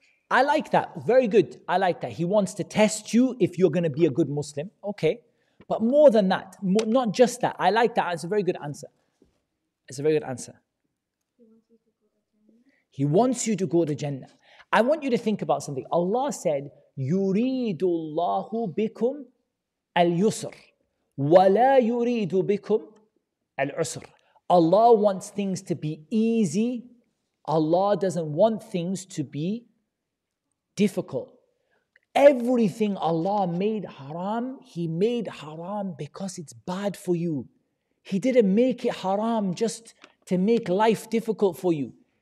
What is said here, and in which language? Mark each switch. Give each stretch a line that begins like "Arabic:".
English: I like that. Very good. I like that. He wants to test you if you're going to be a good Muslim. Okay. But more than that, not just that. I like that. It's a very good answer. It's a very good answer. He wants you to go to Jannah. I want you to think about something. Allah said,
Arabic: يُرِيدُ اللَّهُ بِكُمْ الْيُسْرِ وَلَا يُرِيدُ بِكُمْ الْعُسْرِ.
English: Allah wants things to be easy. Allah doesn't want things to be difficult. Everything Allah made haram, He made haram because it's bad for you. He didn't make it haram just to make life difficult for you.